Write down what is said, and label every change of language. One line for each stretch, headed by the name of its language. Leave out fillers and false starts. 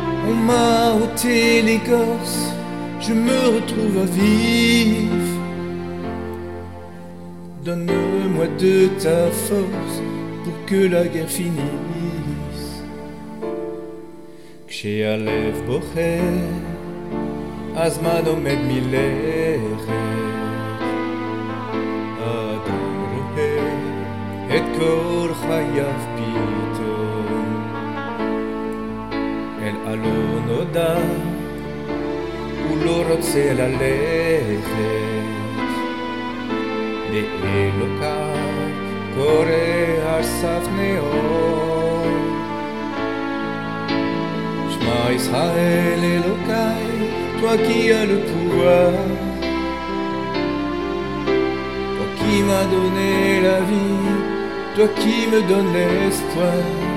French: On m'a ôté l'écorce, je me retrouve à vivre. Donne-moi de ta force pour que la guerre finisse.
Hebrew: Kshehalev bocher, הזמן עומד מלכת. אדם רואה את כל חייו פתאום, אל הלא נודע הוא לא רוצה ללכת. לאלוקיו קורא על סף נאור, שמע ישראל אלוקי,
French: toi qui as le pouvoir, toi qui m'as donné la vie, toi qui me donnes l'espoir.